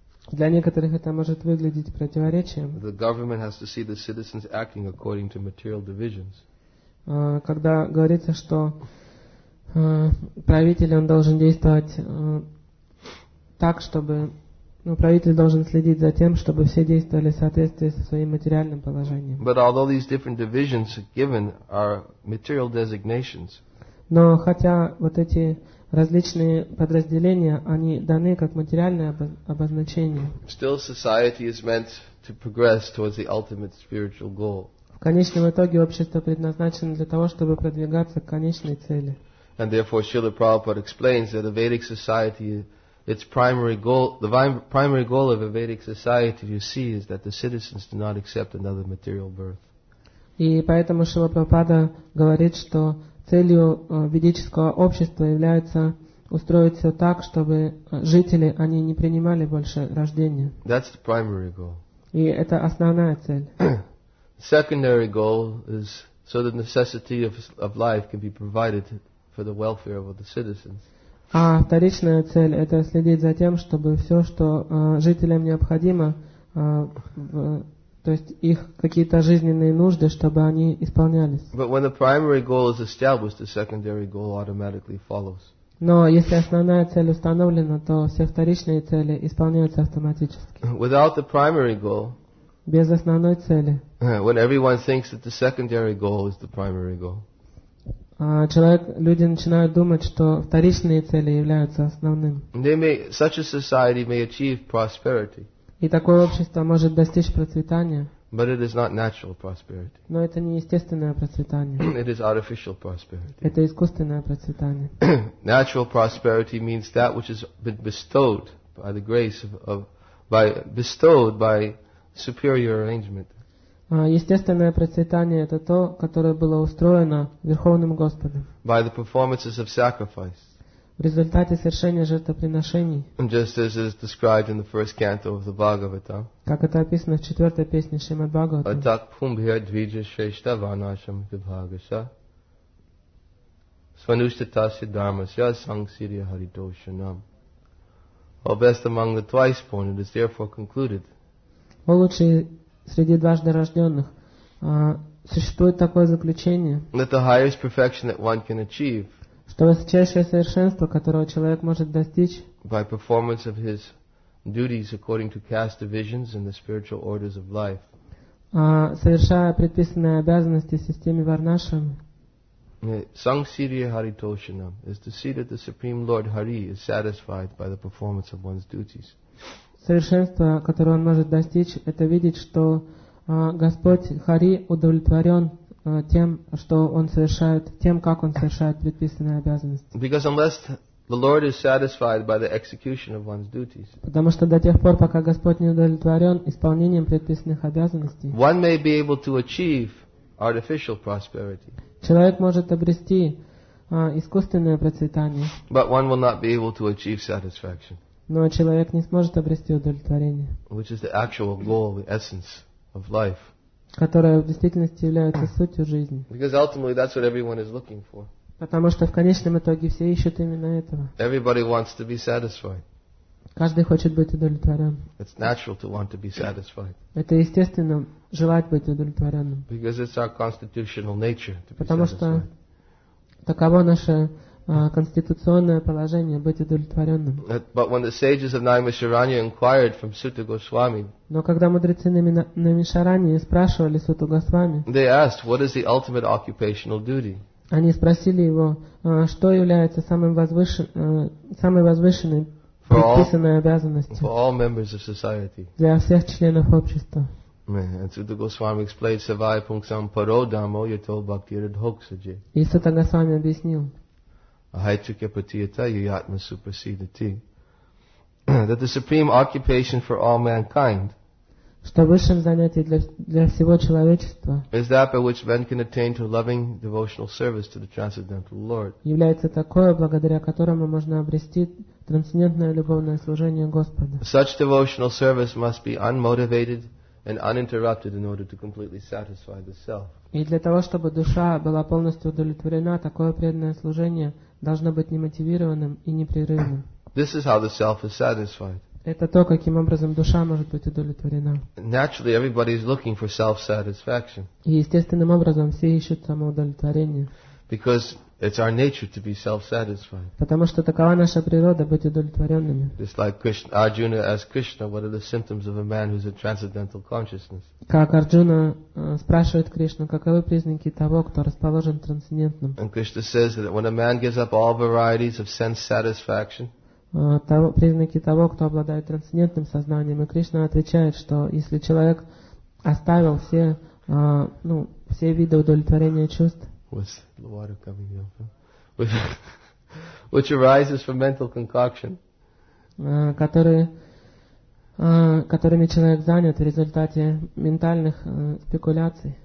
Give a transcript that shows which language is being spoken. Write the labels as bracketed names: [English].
[Russian] Для некоторых это может выглядеть противоречием. [English] The government has to see the citizens acting according to material divisions. [Russian] Когда говорится, что правитель он должен действовать так, чтобы правитель должен следить за тем, чтобы все действовали в соответствии со своим материальным положением. [English] But although these different divisions given are material designations. [Russian] Но хотя вот эти различные подразделения, они даны как материальное обозначение. [English] Still society is meant to progress towards the ultimate spiritual goal. [Russian] В конечном итоге общество предназначено для того, чтобы продвигаться к конечной цели. [English] And therefore Srila Prabhupada explains that a Vedic society, its primary goal, the primary goal of a Vedic society, you see, is that the citizens do not accept another material birth. [Russian] И поэтому Шрила Прабхупада говорит, что целью ведического общества является устроить все так, чтобы жители они не принимали больше рождения. [English] That's the primary goal. [Russian] И это основная цель. [English] The secondary goal is so the necessity of life can be provided for the welfare of the citizens. [Russian] А вторичная цель это следить за тем, чтобы все, что жителям необходимо, то есть их какие-то жизненные нужды, чтобы они исполнялись. [English] But when the primary goal is established, the secondary goal automatically follows. [Russian] Но если основная цель установлена, то все вторичные цели исполняются автоматически. [English] Without the primary goal. [Russian] Без основной цели. [English] When everyone thinks that the secondary goal is the primary goal. [Russian] Люди начинают думать, что вторичные цели являются основным. [English] Such a society may achieve prosperity. [Russian] И такое общество может достичь процветания. [English] But it is not natural prosperity. [Russian] Но это не естественное процветание. [English] It is artificial prosperity. [Russian] Это искусственное процветание. [English] Natural prosperity means that which has been bestowed by the grace bestowed by superior arrangement. [Russian] Естественное процветание это то, которое было устроено Верховным Господом. [English] By the performances of sacrifice. [Russian] В результате совершения жертвоприношений, как это описано в четвертой песне Шримад-Бхагаватам, [English] Well, best among the twice born, it is therefore concluded. [Russian] Лучший среди дважды рожденных. Существует такое заключение. [English] That the highest perfection that one can achieve. [Russian] Что высочайшее совершенство, которого человек может достичь. [English] By performance of his duties according to caste divisions and the spiritual orders of life. [Russian] Совершая предписанные обязанности системе Варнашрам. [Sanskrit] Sangsirya Haritoshanam [English] is to see that the Supreme Lord Hari is satisfied by the performance of one's duties. [Russian] Совершенство, которое он может достичь, это видеть, что Господь Хари удовлетворен тем, что он совершает, тем, как он совершает предписанные обязанности. [English] Because unless the Lord is satisfied by the execution of one's duties. [Russian] Потому что до тех пор, пока Господь не удовлетворен исполнением предписанных обязанностей, [English] one may be able to achieve artificial prosperity. [Russian] Человек может обрести искусственное процветание. [English] But one will not be able to achieve satisfaction. [Russian] Но человек не сможет обрести удовлетворение. [English] Which is the actual goal, the essence of life. [Russian] Которое в действительности является сутью жизни. [English] Because ultimately that's what everyone is looking for. [Russian] Потому что в конечном итоге все ищут именно этого. [English] Everybody wants to be satisfied. [Russian] Каждый хочет быть удовлетворен. [English] It's natural to want to be satisfied. [Russian] Это естественно желать быть удовлетворенным. [English] Because it's our constitutional nature to be satisfied. [Russian] Потому что таково наше конституционное положение быть удовлетворенным. [English] But when the sages of Naimisharanya inquired from Suta Goswami, [Russian] но когда мудрецы Наимишарани спрашивали Суту Госвами, [English] they asked, what is the ultimate occupational duty? [Russian] Они спросили его, что является самой возвышенной предписанной обязанностью [English] for all members of society. [Russian] Для всех членов общества. [English] And Suta Goswami explained, [Sanskrit] Savai Pungsam Paro Dhammo Yato Bhaktira Dhoksaji. [Russian] И Сута Госвами объяснил, [English] that the supreme occupation for all mankind is that by which men can attain to loving devotional service to the transcendental Lord. [Russian] Является такое, благодаря которому можно обрести трансцендентное любовное служение Господа. [English] Such devotional service must be unmotivated and uninterrupted in order to completely satisfy the self. [Russian] И для того, чтобы душа была полностью удовлетворена, такое преданное служение должно быть немотивированным и непрерывным. [English] This is how the self is satisfied. [Russian] Это то, каким образом душа может быть удовлетворена. [English] Naturally, everybody is looking for self-satisfaction. [Russian] И естественным образом все ищут самоудовлетворение. [English] Because it's our nature to be self-satisfied. [Russian] Потому что такова наша природа, быть удовлетворенными. [English] Just like Krishna, Arjuna asked Krishna, what are the symptoms of a man who's a transcendental consciousness? [Russian] Как Арджуна спрашивает Кришну, каковы признаки того, кто расположен трансцендентным? [English] And Krishna says that when a man gives up all varieties of sense satisfaction, [Russian] признаки того, кто обладает трансцендентным сознанием, и Кришна отвечает, что если человек оставил все, все виды удовлетворения чувств, [English] with the water coming up, which arises from mental concoction, [Russian] которыми человек занят в результате ментальных спекуляций.